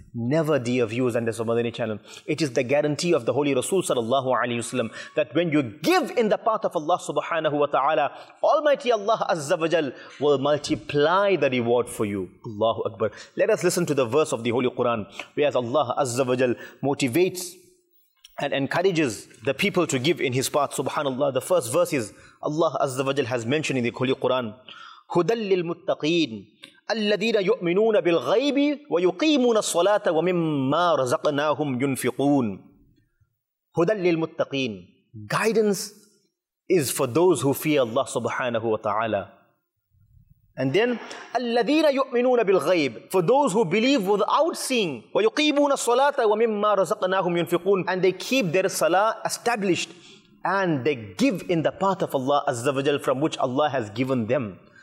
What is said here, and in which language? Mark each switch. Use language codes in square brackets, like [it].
[en] Never, dear viewers and listeners of Madani channel. It is the guarantee of the Holy Rasul sallallahu alayhi wasallam that when you give in the path of Allah subhanahu wa ta'ala, Almighty Allah azza wa jal will multiply the reward for you. Allahu Akbar. Let us listen to the verse of the Holy Quran, whereas Allah azza wa jal motivates and encourages the people to give in his path. Subhanallah. The first verse is Allah azza wa jal has mentioned in the Holy Quran, Hudal lil muttaqeen. [ar] الذين يؤمنون بالغيب ويقيمون الصلاة ومما رزقناهم ينفقون هدى للمتقين. [en] Guidance is for those who fear Allah subhanahu wa ta'ala. And then [ar] الذين يؤمنون بالغيب, [en] for those who believe without seeing, [ar] ويقيمون الصلاة ومما رزقناهم ينفقون, [en] and they keep their salah established and they give in the path of Allah azza wa jal from which Allah has given them.